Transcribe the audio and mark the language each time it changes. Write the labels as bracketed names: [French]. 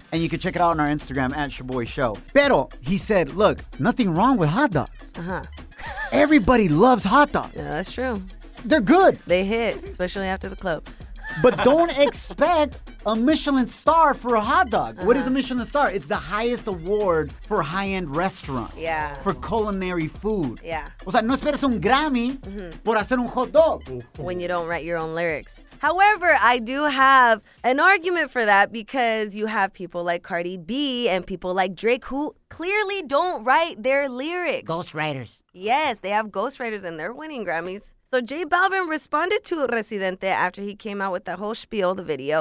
[English] And you can check it out on our Instagram, at Shaboy Show. [Spanish] Pero, [English] he said, look, nothing wrong with hot dogs. Everybody loves hot dogs. Yeah, that's true. They're good. They hit, especially after the club. But don't expect a Michelin star for a hot dog. Uh-huh. What is a Michelin star? It's the highest award for high-end restaurants. Yeah. For culinary food. Yeah. [Spanish] O sea, no esperes un Grammy por hacer un hot dog. [English] When you don't write your own lyrics. However, I do have an argument for that because you have people like Cardi B and people like Drake who clearly don't write their lyrics. Ghostwriters. Yes, they have ghostwriters and they're winning Grammys. So J Balvin responded to Residente after he came out with that whole spiel, the video.